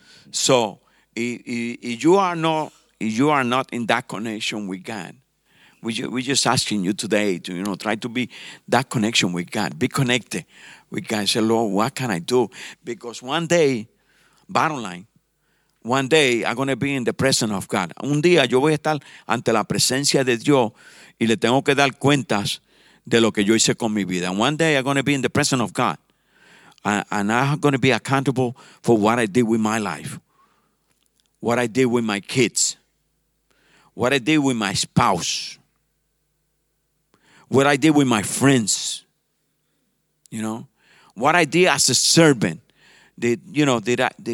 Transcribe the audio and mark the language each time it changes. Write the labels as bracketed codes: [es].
[en] So if you are not in that connection with God, we're just asking you today to, you know, try to be that connection with God. Be connected with God. Say, Lord, what can I do? Because one day, bottom line, one day I'm going to be in the presence of God. [es] Un día yo voy a estar ante la presencia de Dios y le tengo que dar cuentas de lo que yo hice con mi vida. [en] One day I'm going to be in the presence of God. And I'm going to be accountable for what I did with my life. What I did with my kids. What I did with my spouse. What I did with my friends. You know? What I did as a servant. Did I?